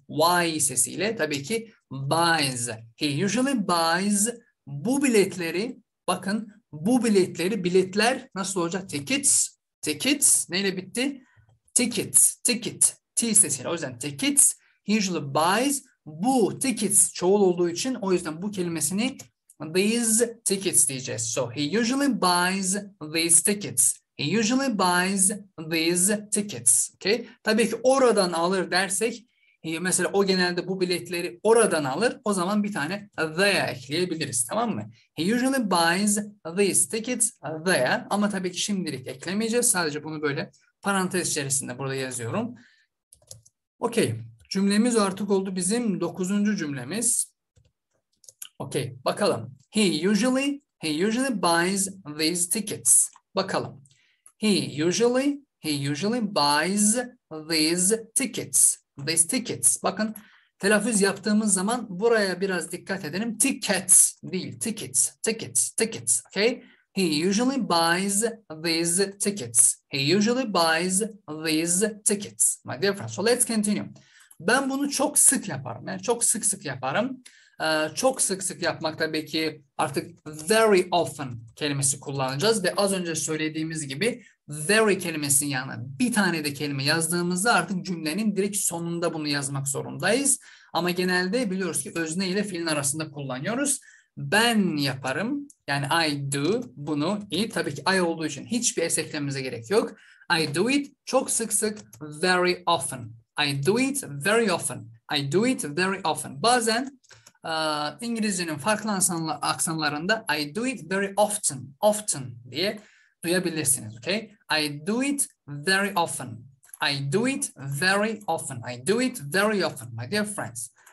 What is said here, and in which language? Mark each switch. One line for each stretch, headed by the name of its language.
Turkish: Why sesiyle tabii ki buys.
English: He usually buys
Turkish: bu biletleri bakın bu biletleri biletler nasıl olacak? Tickets neyle bitti? Ticket T sesiyle o yüzden tickets
English: he usually buys
Turkish: bu tickets çoğul olduğu için o yüzden bu kelimesini
English: these tickets
Turkish: diyeceğiz.
English: So he usually buys these tickets. He usually buys these tickets. Okay?
Turkish: Tabii ki oradan alır dersek mesela o genelde bu biletleri oradan alır. O zaman bir tane there ekleyebiliriz. Tamam mı?
English: He usually buys these tickets there.
Turkish: Ama tabii ki şimdilik eklemeyeceğiz. Sadece bunu böyle parantez içerisinde burada yazıyorum. Okay. Cümlemiz artık oldu bizim 9. cümlemiz. Okay. Bakalım.
English: He usually buys these tickets. Bakalım. He usually buys these tickets.
Turkish: Bakın telaffuz yaptığımız zaman buraya biraz dikkat edelim.
English: Tickets değil. Tickets. Okay? He usually buys these tickets. He usually buys these tickets. My dear friend. So let's continue.
Turkish: Ben bunu çok sık yaparım. Yani çok sık sık yaparım. Çok sık sık yapmak tabii ki artık very often kelimesi kullanacağız ve az önce söylediğimiz gibi very kelimesinin yanına bir tane de kelime yazdığımızda artık cümlenin direkt sonunda bunu yazmak zorundayız. Ama genelde biliyoruz ki özne ile fiilin arasında kullanıyoruz. Ben yaparım yani
English: I do
Turkish: bunu iyi tabii ki I olduğu için hiçbir es eklememize gerek yok.
English: I do it
Turkish: çok sık sık
English: very often. I do it very often. I do it very often.
Turkish: Bazen İngilizcenin farklı aksanlarında
English: I do it very often
Turkish: diye duyabilirsiniz.
English: Okay? I do it very often. I do it very often. I do it very often, my dear friends.